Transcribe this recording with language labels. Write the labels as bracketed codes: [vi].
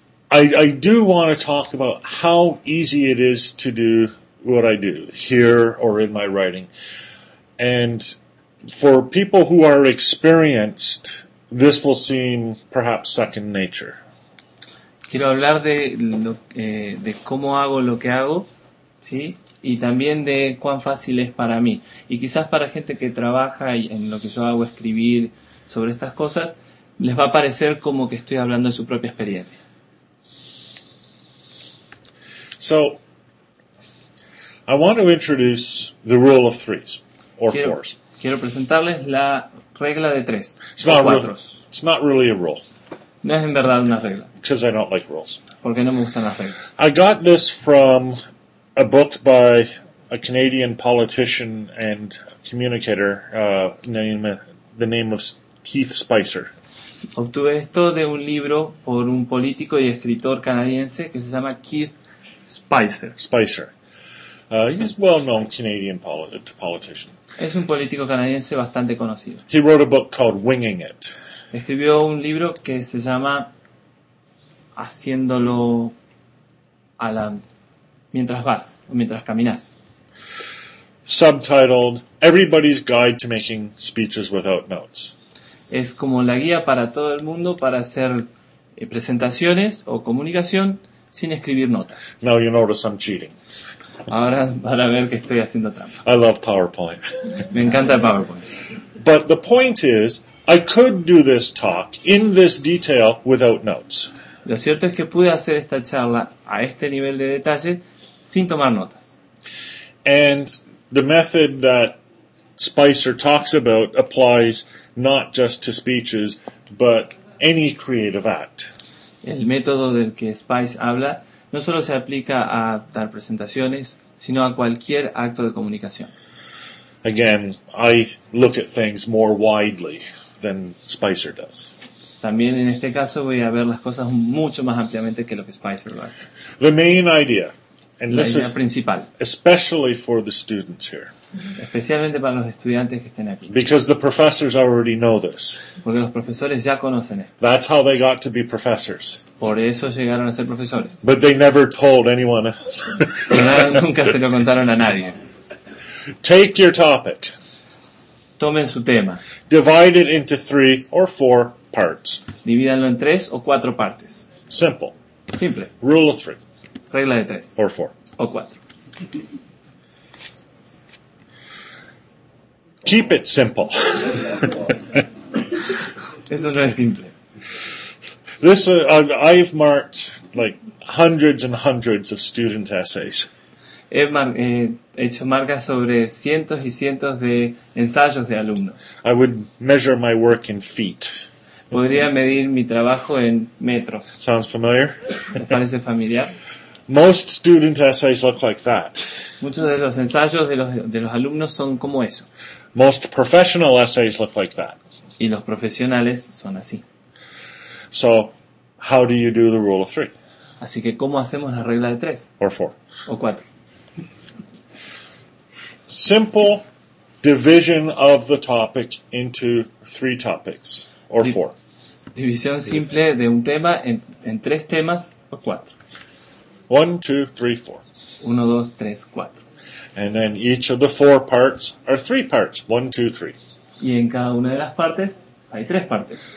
[en] I do want to talk about how easy it is to do what I do here or in my writing. And for people who are experienced, this will seem perhaps second nature. [es] Quiero hablar de cómo hago lo que hago, ¿sí? Y también de cuán fácil es para mí. Y quizás para gente que trabaja en lo que yo hago, escribir sobre estas cosas, les va a parecer como que estoy hablando de su propia experiencia. [en] So, I want to introduce the rule of threes, or fours. [es] Quiero presentarles la regla de tres, [en] It's not really a rule. [es] No es en verdad una regla. [en] Because I don't like rules. [es] Porque no me gustan las reglas. [en] I got this from a book by a Canadian politician and communicator, the name of Keith Spicer. [es] Obtuve esto de un libro por un político y escritor canadiense que se llama Keith Spicer. [en] He's a well-known Canadian politician. [es] Es un político canadiense bastante conocido. [en] He wrote a book called Winging It. [es] Escribió un libro que se llama Haciéndolo a la mientras vas o mientras caminas. [en] Subtitled Everybody's Guide to Making Speeches Without Notes. [es] Es como la guía para todo el mundo para hacer presentaciones o comunicación sin escribir notas. [en] Now you notice I'm cheating. [es] Ahora van a ver que estoy haciendo trampa. [en] I love PowerPoint. [es] Me encanta el PowerPoint. [en] But the point is, I could do this talk in this detail without notes. [es] Lo cierto es que pude hacer esta charla a este nivel de detalle sin tomar notas. [en] And the method that Spicer talks about applies not just to speeches, but any creative act. [es] El método del que Spice habla no solo se aplica a dar presentaciones, sino a cualquier acto de comunicación. [en] Again, I look at things more widely than Spicer does. [es] También en este caso voy a ver las cosas mucho más ampliamente que lo que Spicer lo hace. [en] The main idea, and [es] la [en] this [es] idea principal, [en] especially for the students here. [es] Especialmente para los estudiantes que estén aquí. [en] Because the professors already know this. [es] Porque los profesores ya conocen esto. [en] That's how they got to be professors. [es] Por eso llegaron a ser profesores. [en] But they never told anyone else. [es] Pero nunca se lo contaron a nadie. [en] Take your topic. [es] Tomen su tema. [en] Divide it into three or four parts. [es] Divídanlo en tres o cuatro partes. [en] Simple. [es] Simple. [en] Rule of three. [es] Regla de tres. [en] Or four. [es] O cuatro. [en] Keep it simple. [es] Eso no es simple. [en] This I've marked like hundreds and hundreds of student essays. [es] He hecho marcas sobre cientos y cientos de ensayos de alumnos. [en] I would measure my work in feet. [es] Podría medir mi trabajo en metros. [en] Sounds familiar? [es] Parece familiar. [en] Most student essays look like that. [es] Muchos de los ensayos de los alumnos son como eso. [en] Most professional essays look like that. [es] Y los profesionales son así. [en] So, how do you do the rule of three? [es] Así que, ¿cómo hacemos la regla de tres? [en] Or four. [es] O cuatro. [en] Simple division of the topic into three topics, or four. [es] División simple de un tema en tres temas, o cuatro. [en] One, two, three, four. [es] Uno, dos, tres, cuatro. [en] And then each of the four parts are three parts. One, two, three. [es] Y en cada una de las partes hay tres partes.